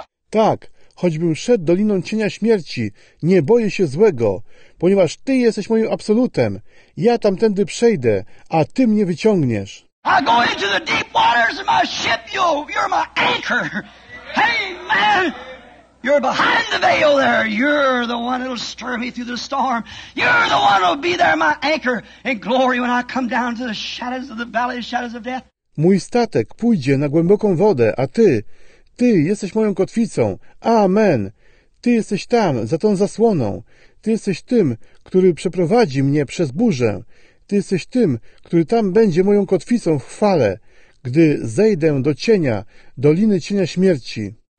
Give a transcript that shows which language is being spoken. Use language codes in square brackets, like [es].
[pl] Tak, choćbym szedł doliną cienia śmierci, nie boję się złego, ponieważ Ty jesteś moim absolutem. Ja tamtędy przejdę, a Ty mnie wyciągniesz. [en] I go into the deep waters of my ship, you're my anchor. Hey, man, you're behind the veil there. You're the one that'll stir me through the storm. You're the one that'll be there, my anchor in glory when I come down to the shadows of the valley of shadows of death. [pl] Mój statek pójdzie na głęboką wodę, a ty jesteś moją kotwicą. Amen. Ty jesteś tam, za tą zasłoną. Ty jesteś tym, który przeprowadzi mnie przez burzę. Ty jesteś tym, który tam będzie moją kotwicą w chwale, gdy zejdę do cienia, doliny cienia śmierci.